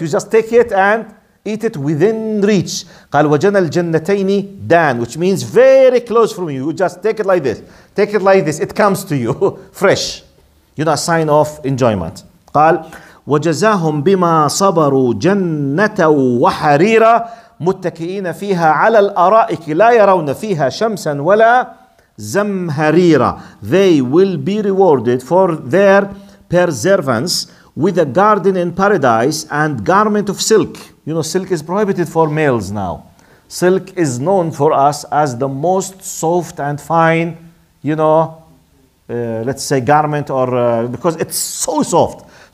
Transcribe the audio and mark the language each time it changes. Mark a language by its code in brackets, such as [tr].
[en] You just take it and eat it within reach. [ar] قال وجن الجنتين دان, [en] which means very close from you. You just take it like this. Take it like this. It comes to you fresh. You know, a sign of enjoyment. [ar] قال وجزاهم بما صبروا جنة وحريرة متكئين فيها على الأرائك لا يرون فيها شمسا ولا Zamharira. [en] They will be rewarded for their perseverance with a garden in paradise and garment of silk. You know, silk is prohibited for males now. Silk is known for us as the most soft and fine, you know, let's say garment or because it's so soft.